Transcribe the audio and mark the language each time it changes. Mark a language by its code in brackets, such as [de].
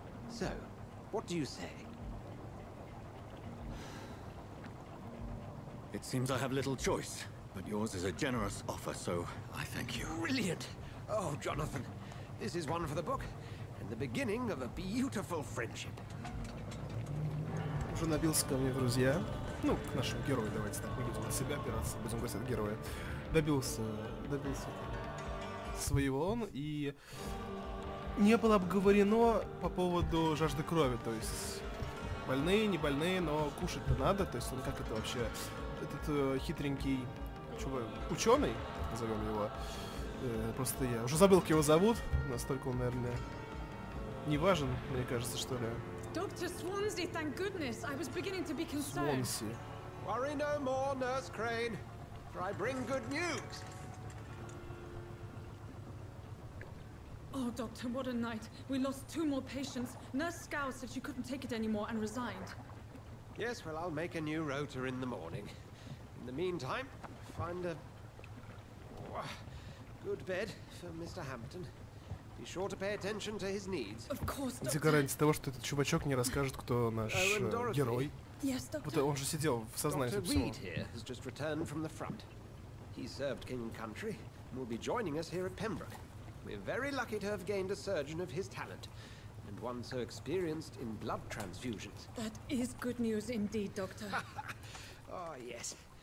[en] So, what do you say? It seems I have little choice, but yours is a generous offer, so I thank you. Brilliant! Oh, Jonathan! This is one for the book, and the beginning of a beautiful friendship. [ru] Уже набился ко мне в друзья. Ну, к нашему герою, давайте так, будем на себя опираться, будем гостить героя. Добился своего он, и не было обговорено по поводу жажды крови, то есть больные, не больные, но кушать-то надо, то есть он как это вообще, этот хитренький чувак, ученый, назовем его, просто я уже забыл, как его зовут. Настолько он, наверное, не важен, мне кажется, что ли. [en] Доктор Свонси, thank goodness, I was beginning to be concerned. [ru] Свонси. [en] Worry no more, Nurse Crane, for I bring good news. Oh, Doctor, what a night. We lost two more patients. Nurse Scow said she couldn't take it anymore and resigned. Yes, well, I'll make a new rotor in the morning. In the meantime, find a good bed for Mr. Hampton. Be sure to pay attention to his needs. Of course, doctor. [ru] Где гарантия того, что этот чувачок не расскажет, кто наш герой? [en] Yes, doctor. [ru] Вот он же сидел в сознании собственно. [en] Doctor Reed here has just returned from the front. He served King and Country and will be joining us here at Pembroke. We're very lucky to have gained a surgeon of his talent and one so experienced in blood transfusions. That is good news indeed, doctor. Oh, yes.